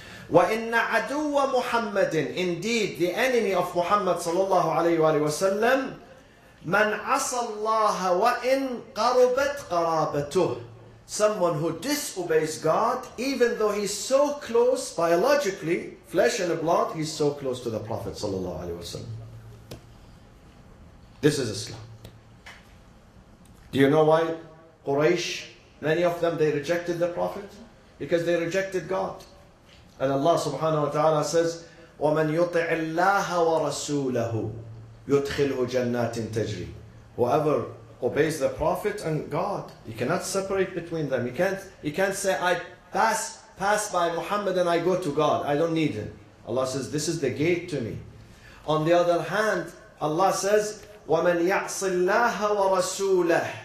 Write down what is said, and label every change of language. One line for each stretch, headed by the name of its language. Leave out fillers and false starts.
Arabic: وَإِنَّ عَدُوَّ مُحَمَّدٍ,
English: indeed the enemy of Muhammad sallallahu alaihi wasallam,
Arabic: مَنْ عَصَى اللَّهَ وَإِنْ قَرُبَتْ قَرَابَتُهُ,
English: someone who disobeys God, even though he's so close biologically, flesh and blood, he's so close to the Prophet sallallahu alaihi wasallam. This is Islam. Do you know why Quraysh, many of them, they rejected the Prophet? Because they rejected God. And Allah subhanahu wa ta'ala says,
Arabic: وَمَنْ يُطِعِ اللَّهَ وَرَسُولَهُ يُدْخِلْهُ جَنَّاتٍ تَجْرِي.
English: Whoever obeys the Prophet and God, you cannot separate between them. You can't say, I pass by Muhammad and I go to God. I don't need him. Allah says, this is the gate to me. On the other hand, Allah says,
Arabic: وَمَنْ يَعْصِ اللَّهَ وَرَسُولَهُ,